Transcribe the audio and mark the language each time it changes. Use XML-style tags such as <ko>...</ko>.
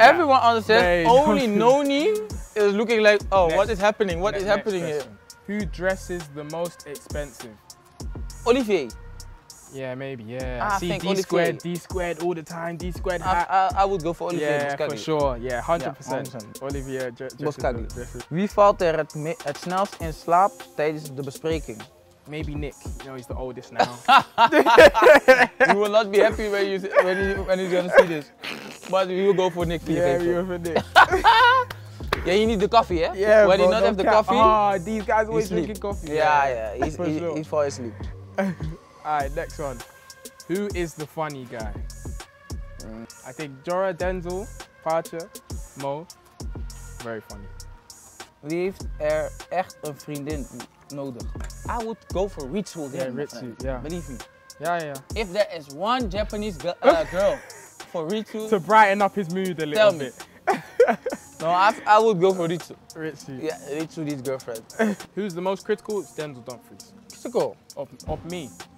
<en>Everyone understands. Only Noni is looking like, what is happening? What is happening here? Who dresses the most expensive? Olivier. Yeah, maybe, yeah. D squared all the time, D squared hat. I would go for Olivier Boscagli. Yeah, for sure, yeah, 100%. Olivier Boscagli.</en> <nl>Wie valt er het snelst in slaap tijdens de bespreking?</nl> <en>Maybe Nick. You know, he's the oldest now. You will not be happy when he's gonna see this. But we will go for Nick. Yeah, we will for Nick. Yeah, you need the coffee, eh? Yeah, when you not have the coffee, these guys always drinking coffee. Yeah, yeah, yeah. He falls asleep. All right, next one. Who is the funny guy? I think Jorah, Denzel, Pacha, Mo. Very funny.</en> <nl>Wie heeft er echt een vriendin nodig?</nl> <en>I would go for Ritsu again. Yeah, Ritsu, yeah. Believe me. Yeah, yeah. If there is one Japanese girl for Ritsu... To brighten up his mood a little tell me. Bit. No, I would go for Ritsu. Ritsu. Yeah, Ritsu, his girlfriend. Who's the most critical? It's Denzel Dumfries. Critical? Of me.</en>